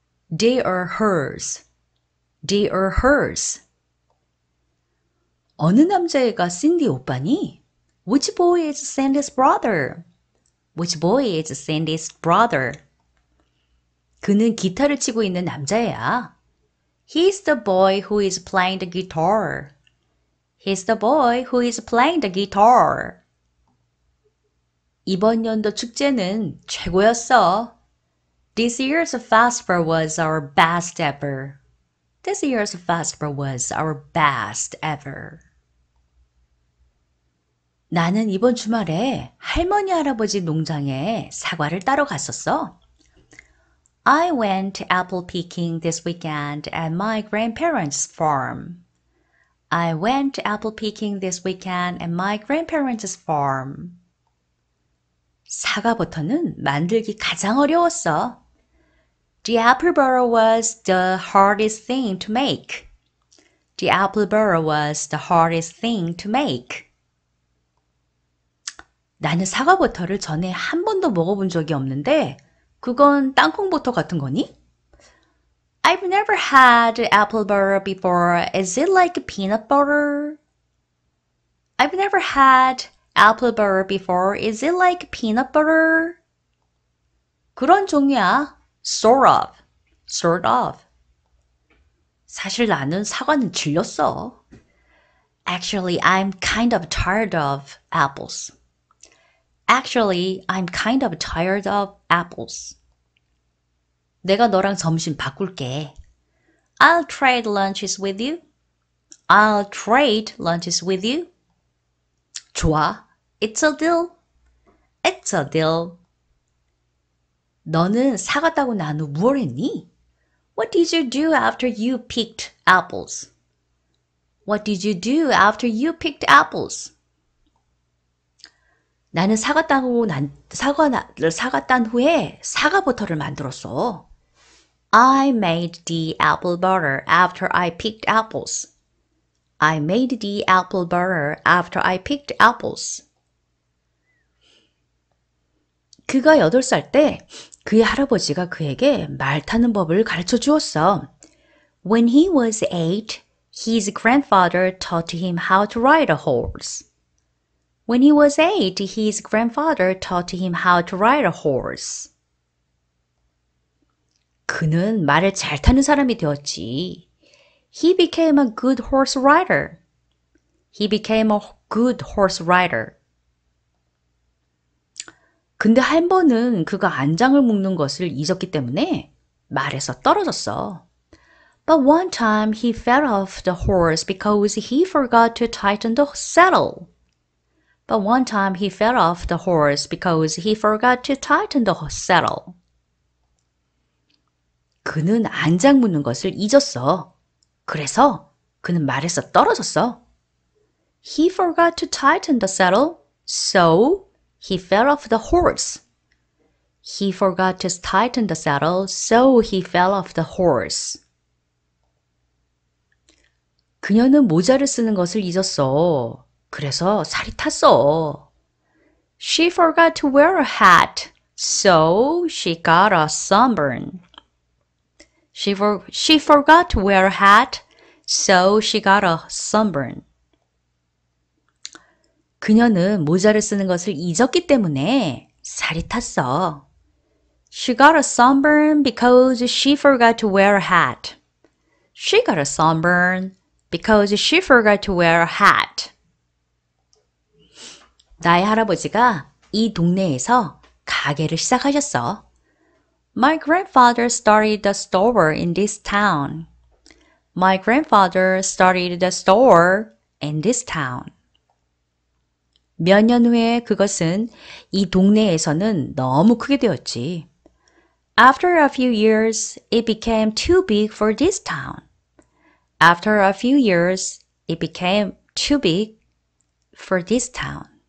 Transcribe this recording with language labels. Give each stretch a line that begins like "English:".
English: They are hers. They are hers.
Korean: 어느 남자애가 신디 오빠니?
English: Which boy is Sandy's brother? Which boy is Sandy's brother?
Korean: 그는 기타를 치고 있는 남자애야.
English: He's the boy who is playing the guitar. He's the boy who is playing the guitar.
Korean: 이번 연도 축제는 최고였어.
English: This year's festival was our best ever. This year's festival was our best ever.
Korean: 나는 이번 주말에 할머니 할아버지 농장에 사과를 따러 갔었어.
English: I went apple picking this weekend at my grandparents' farm. I went apple picking this weekend at my grandparents' farm.
Korean: 사과 버터는 만들기 가장 어려웠어.
English: The apple butter was the hardest thing to make. The apple butter was the hardest thing to make.
Korean: 나는 사과 버터를 전에 한 번도 먹어본 적이 없는데 그건 땅콩 버터 같은 거니?
English: I've never had apple butter before. Is it like peanut butter? I've never had apple butter before. Is it like peanut butter?
Korean: 그런 종이야.
English: Sort of. Sort of.
Korean: 사실 나는 사과는 질렸어.
English: Actually, I'm kind of tired of apples. Actually, I'm kind of tired of apples.
Korean: 내가 너랑 점심 바꿀게.
English: I'll trade lunches with you. I'll trade lunches with you.
Korean: 좋아.
English: It's a deal. It's a deal.
Korean: 너는 사과 따고 난후뭘 했니?
English: What did you do after you picked apples? What did you do after you picked apples?
Korean: 나는 사과 딴 후에 사과 버터를 만들었어.
English: I made the apple butter after I picked apples. I made the apple butter after I picked apples.
Korean: 그가 8살 때 그의 할아버지가 그에게 말 타는 법을 가르쳐 주었어.
English: When he was 8, his grandfather taught him how to ride a horse. When he was 8, his grandfather taught him how to ride a horse.
Korean: 그는 말을 잘 타는 사람이 되었지.
English: He became a good horse rider. He became a good horse rider.
Korean: 근데 한 번은 그가 안장을 묶는 것을 잊었기 때문에 말에서 떨어졌어.
English: But one time he fell off the horse because he forgot to tighten the saddle. But one time he fell off the horse because he forgot to tighten the saddle.
Korean: 그는 안장 묶는 것을 잊었어. 그래서 그는 말에서 떨어졌어.
English: He forgot to tighten the saddle, so he fell off the horse. He forgot to tighten the saddle, so he fell off the horse.
Korean: 그녀는 모자를 쓰는 것을 잊었어. 그래서 살이 탔어.
English: She forgot to wear a hat, so she got a sunburn. She forgot to wear a hat, so she got a sunburn.
Korean: 그녀는 모자를 쓰는 것을 잊었기 때문에 살이 탔어.
English: She got a sunburn because she forgot to wear a hat. She got a sunburn because she forgot to wear a hat.
Korean: 나의 할아버지가 이 동네에서 가게를 시작하셨어.
English: My grandfather started the store in this town. My grandfather started the store in this town.
Korean: 몇년 후에 그것은 이 동네에서는 너무 크게 되었지.
English: After a few years, it became too big for this town. After a few years, it became too big for this town.